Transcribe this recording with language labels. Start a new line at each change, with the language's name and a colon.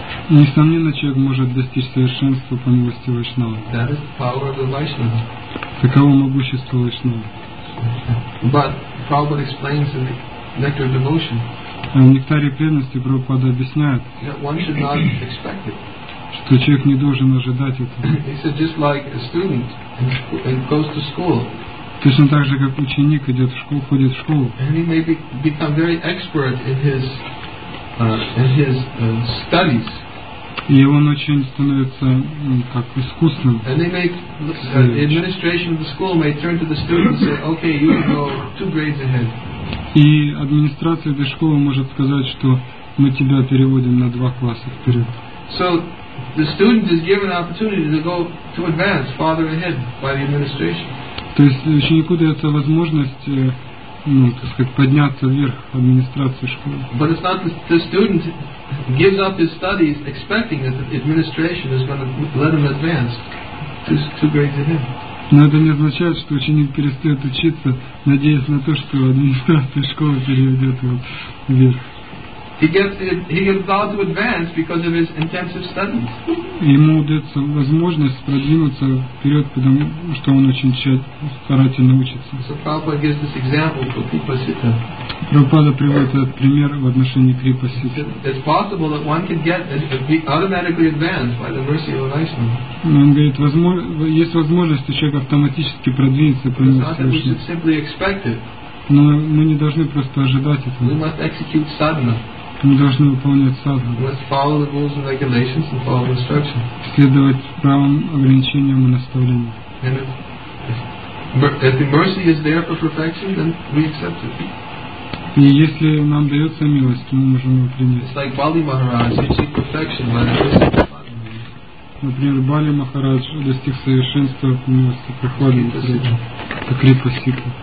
Russian: Несомненно, человек может достичь совершенства по милости Вайшнава.
English: That is the power of the Vaishnava.
Russian: Таково могущество Вайшнава.
English: But Prabhupada explains in the Nectar of Devotion.
Russian: В Нектаре преданности Прабхупада объясняет,
English: one should not expect it.
Russian: Что человек не должен ожидать этого.
English: He said just like a student and goes to school.
Russian: Точно так же, как ученик идет в школу, ходит в школу.
English: And he may become very expert in his studies.
Russian: И он очень становится как искусным.
English: And they make the administration of the school may turn to the student and say, okay, you can go 2 grades ahead.
Russian: И администрация этой школы может сказать, что мы тебя переводим на 2 класса вперед.
English: So the student is given an opportunity to go to advance farther ahead by the administration.
Russian: То есть ученику дается возможность, ну, так сказать, подняться вверх администрации школы.
English: But it's not the student gives up his studies expecting that the administration is going to let him advance two grades ahead.
Russian: Но это не означает, что ученик перестает учиться, надеясь на то, что администрация школы переведет его вверх.
English: He gets allowed to advance because of his intensive studies.
Russian: Ему дается возможность продвинуться вперед, потому что он очень тщательно старательно учится.
English: So Prabhupada gives this example for Kripasita.
Russian: Prabhupada приводит этот пример в отношении Крипасита.
English: It's possible that one can get automatically advanced by the mercy of Vaishnava.
Russian: Он говорит, есть возможность, что человек автоматически продвинется по милости. Но мы не должны просто ожидать этого.
English: We must execute sadhana.
Russian: Мы должны выполнять садхану.
English: We must follow the rules and regulations and follow the instructions.
Russian: Следовать правилам, ограничениям и наставлениям.
English: If the mercy is there for perfection, then we accept it.
Russian: И если нам дается милость, то мы можем ее принять.
English: It's like Bali Maharaj, you seek perfection by the mercy.
Russian: Например, Бали Махарадж достиг совершенства по милости прохладной среды, по Крипасите.